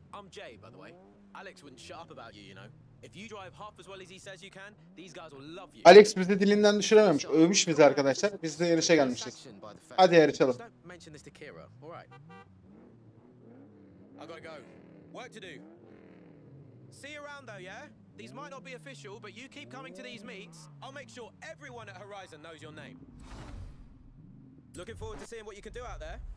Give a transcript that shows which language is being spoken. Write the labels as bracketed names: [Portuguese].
[English] Jay, by the way, Alex wouldn't shut up about you, you know. If you drive half as well as he says you can, these guys will love you. [Turkish] Alex bizi dilinden düşürememiş, övmüş bizi arkadaşlar. Biz de yarışa gelmişiz. Hadi yarışalım. [English] Don't mention this to Kira, all right? I gotta go. Work to do. See you around, though, yeah? These might not be official, but you keep coming to these meets, I'll make sure everyone at Horizon knows your name. Looking forward to seeing what you can do out there.